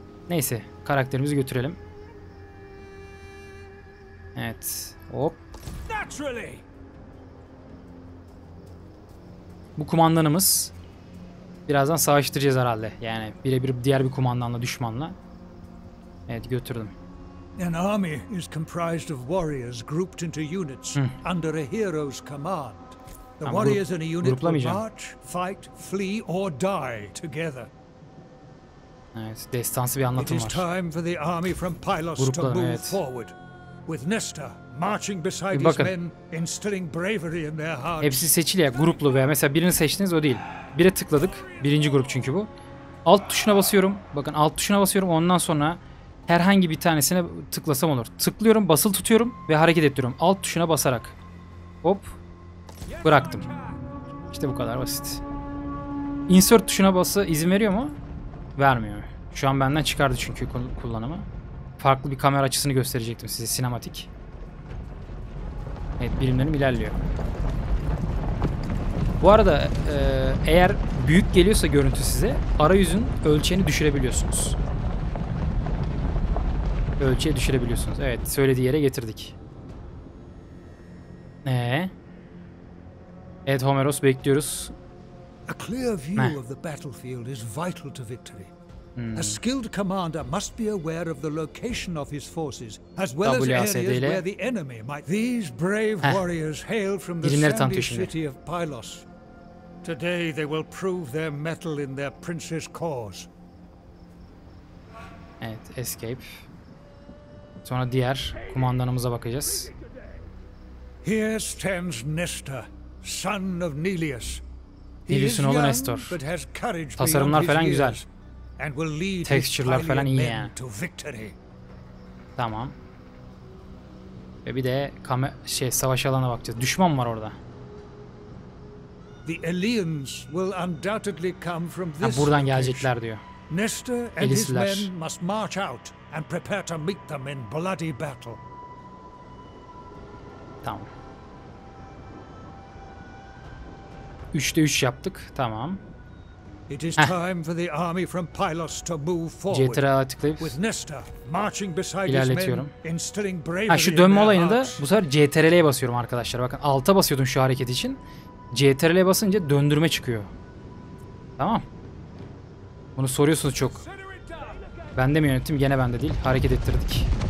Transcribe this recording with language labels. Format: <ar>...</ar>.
<tr>Neyse, karakterimizi götürelim. Evet, hop. Bu kumandanımız. Birazdan savaştıracağız herhalde. Yani birebir diğer bir kumandanla, düşmanla. Evet, götürdüm.</tr> <en>An army is comprised of warriors grouped into units under a hero's command. The warriors in a unit will march, fight, flee or die together.</en> <tr>Evet, destansı bir anlatım var.</tr> <en>It is time for the army from Pylos to move forward. With Nesta marching beside his men, instilling bravery in their hearts.</en> <tr>Hepsi seçili ya, gruplu veya mesela birini seçtiniz, o değil. Bire tıkladık. Birinci grup çünkü bu. Alt tuşuna basıyorum. Bakın alt tuşuna basıyorum. Ondan sonra herhangi bir tanesine tıklasam olur. Tıklıyorum, basılı tutuyorum ve hareket ettiriyorum. Alt tuşuna basarak. Hop. Bıraktım. İşte bu kadar basit. Insert tuşuna bası izin veriyor mu? Vermiyor. Şu an benden çıkardı çünkü kullanımı. Farklı bir kamera açısını gösterecektim size. Sinematik. Evet, birimlerim ilerliyor. Bu arada eğer büyük geliyorsa görüntü size, arayüzün ölçeğini düşürebiliyorsunuz. Ölçeği düşürebiliyorsunuz. Evet, söylediği yere getirdik. Evet, Homeros bekliyoruz.</tr> <en>A clear view of the battlefield is vital to victory. A skilled commander must be aware of the location of his forces as well as areas where the enemy might. These brave warriors hail from the sandy city of Pylos. Today they will prove their mettle in their prince's cause.</en> <tr>Evet, escape. Sonra diğer kumandanımıza bakacağız.</tr> <en>Here stands Nestor, son of Neleus.</en> <tr>Neleus'un oğlu Nestor. Tasarımlar falan güzel. And will lead texture'lar falan iyi ya. Tamam. Ve bir de savaş alanına bakacağız. Düşman var orada.</tr> <en>The Eleans will undoubtedly come from this.</en> <tr>Ha, buradan gelecekler diyor.</tr> <en>Nestor and his men must march out and prepare to meet them in bloody battle.</en> <tr>Tamam. 3'te 3 yaptık. Tamam.</tr> <en>It is time for the army from Pylos to move forward. With Nestor marching beside his men, instilling bravery.</en> <tr>Ha, şu dönme olayını da bu sefer CTRL'ye basıyorum arkadaşlar. Bakın alta basıyordum şu hareket için. CTRL'ye basınca döndürme çıkıyor. Tamam. Bunu soruyorsunuz çok. Ben de mi yönettim? Gene ben de değil. Hareket ettirdik.</tr>